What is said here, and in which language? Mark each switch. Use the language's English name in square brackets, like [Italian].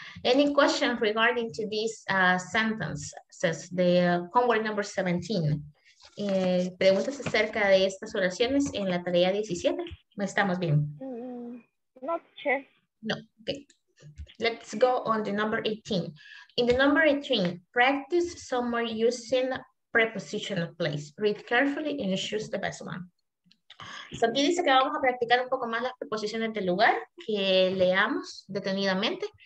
[English] Any question regarding to this sentence, the homework number 17. [Spanish] ¿Preguntas acerca de estas oraciones en la tarea 17? ¿No estamos bien? [English] No, sure. No, okay. Let's go on the number 18. In the number 18, practice some more using prepositional place. Read carefully and choose the best one. [Spanish] So aquí dice que vamos a practicar un poco más las preposiciones de lugar, que leamos detenidamente